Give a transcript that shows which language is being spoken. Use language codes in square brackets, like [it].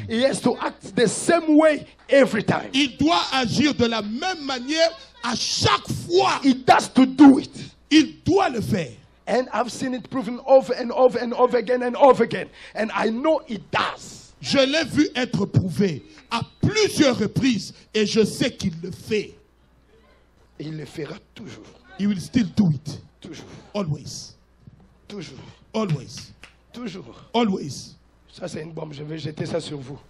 [en] He has to act the same way every time. [fr] Il doit agir de la même manière à chaque fois. [en] He has to do it. [fr] Il doit le faire. [en] And I've seen it proven over and over and over again and over again. And I know he does. [fr] Je l'ai vu être prouvé à plusieurs reprises et je sais qu'il le fait. Il le fera toujours. [en] He will still do it. [fr] Toujours. [en] Always. [fr] Toujours. [en] Always. [fr] Toujours. [en] Always. [fr] Ça c'est une bombe, je vais jeter ça sur vous.